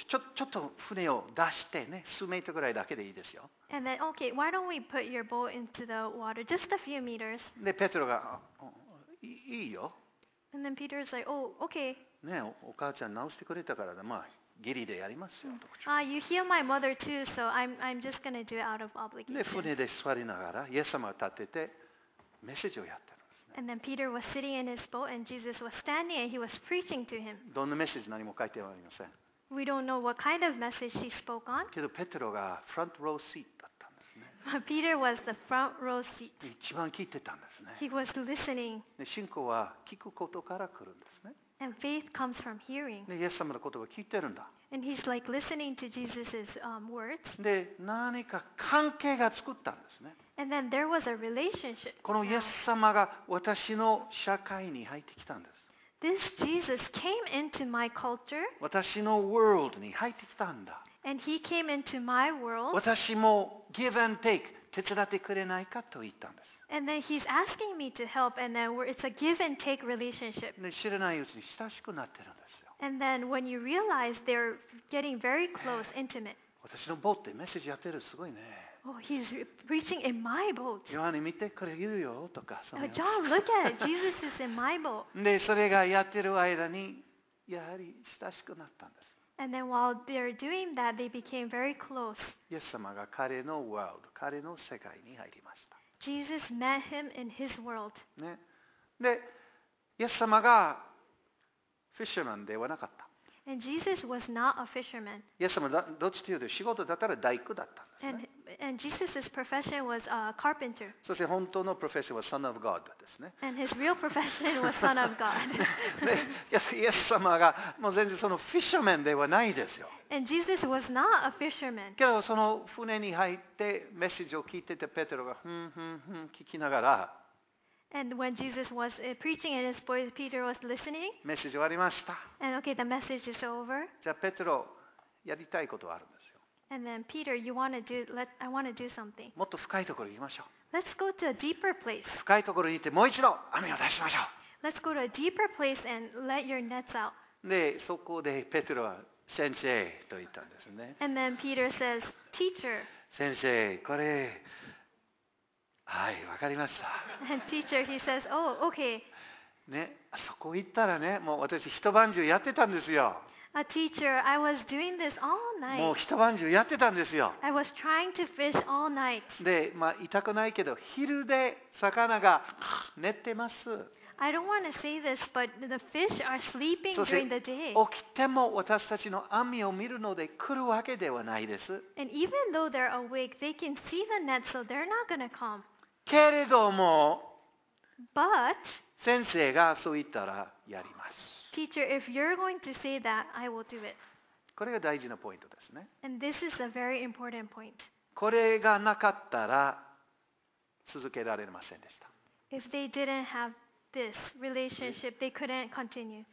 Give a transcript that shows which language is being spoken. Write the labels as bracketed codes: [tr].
[ja] ちょっと船を出してね、数メートルぐらいだけでいいですよ。 [en] And then, okay, why don't we put your boat into the water, just a few meters? [ja] で、ペテロが、いいよ。 [en] And then Peter is like, "Oh, okay." [ja] ね、お母ちゃん直してくれたからだ、まあ。ギリでやりますよ。 [en] You heal my mother too, so I'm just gonna do it out of obligation. [ja] で船で座りながらイエス様が立っててメッセージをやってるんですね。 [en] And then Peter was sitting in his boat, and Jesus was standing, and he was preaching to him. [ja] どんなメッセージ何も書いてはありません。 [en] We don't know what kind of message she spoke on. [ja] けどペテロがフロントローシートだったんですね。 [en] Peter was the front row seat. [ja] 一番聞いてたんですね。 [en] He was listening. [ja] で信仰は聞くことから来るんですね。 [en] And faith comes from hearing. [ja] イエス様の言葉を聞いてるんだ。 [en] And he's like listening to Jesus's words. [ja] で、何か関係が作ったんですね。 [en] And then there was a relationship. [ja] このイエス様が私の社会に入ってきたんです。 [en] This Jesus came into my culture. [ja] 私の world に入ってきたんだ。 [en] And he came into my world. [ja] 私も [en] give and take [ja] 手伝ってくれないかと言ったんです。 [en] And then he's asking me to help, and then it's a give and take relationship. [ja] 知らないうちに親しくなってるんですよ。 [en] And then when you realize they're getting very close, intimate. [ja] 私のボートでメッセージやってる、すごいね。 [en] Oh, he's preaching in my boat. [ja] ヨハネ見て、これいるよとか。 [en] John, look at it. Jesus is in my boat. [ja] で、それがやってる間にやはり親しくなったんです。 [en] And then while they're doing that, they became very close. [ja] イエス様が彼のワールド、彼の世界に入りました。 [en] Jesus met him in his world. [ja] ね、で、イエス様がフィッシュマンではなかった。 [en] And Jesus was not a fisherman. [ja] イエス様どっちというと仕事だったら大工だったんですね。 [en] And Jesus's profession was a carpenter. [ja] そして本当のプロフェッションは [en] son of God [ja] ですね。 [en] And his real profession was son of God. [ja] で、イエス様がもう全然そのフィッシュマンではないですよ。 [en] And Jesus was not a fisherman. [ja] けどその船に入ってメッセージを聞いててペテロがふんふんふん聞きながら。 [en] And when Jesus was preaching and his boy Peter was listening. [ja] メッセージ終わりました。 [en] And okay, the message is over. [ja] じゃあペテロやりたいことはあるんですよ。 [en] And then Peter, you want to do? I want to do something. [ja] もっと深いところに行きましょう。 [en] Let's go to a deeper place. [ja] 深いところに行ってもう一度網を出しましょう。 [en] Let's go to a deeper place and let your nets out. [ja] でそこでペテロは先生と言ったんですね。 [en] And then Peter says, "Teacher." [ja] 先生、これ、はい、わかりました。 [en] And teacher, he says, "Oh, okay." [ja] ね、そこ行ったらね、もう私一晩中やってたんですよ。 [en] A teacher, I was doing this all night. [ja] もう一晩中やってたんですよ。 [en] I was trying to fish all night. [ja] で、まあ痛くないけど、昼で魚が寝てます。 [en] I don't want to say this, but the fish are sleeping during the day. [ja] 起きても私たちの網を見るので来るわけではないです。 [en] And even though they're awake, they can see the net, so they're not going to come. [ja] けれども、 [en] But [ja] 先生がそう言ったらやります。 [en] Teacher, if you're going to say that, I will do it. [ja] これが大事なポイントですね。 [en] And this is a very important point. [ja] これがなかったら続けられませんでした。 [en] If they didn't have this relationship, they couldn't continue.